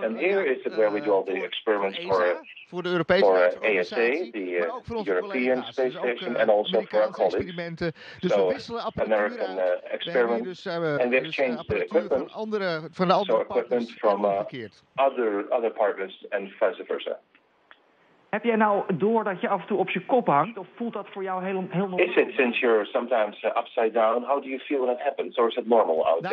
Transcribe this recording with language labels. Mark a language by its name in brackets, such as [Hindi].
[English] And here is where we do all the experiments for ASA, the European Space Station, and also for our colleagues. So American experiments. And we exchange the equipment. So equipment from other partners and vice versa. [Dutch] Heb jij nou door dat je af en toe op je kop hangt, of voelt dat voor jou heel normaal? [English] Is it since you're sometimes upside down? How do you feel when that happens, or is it normal out there?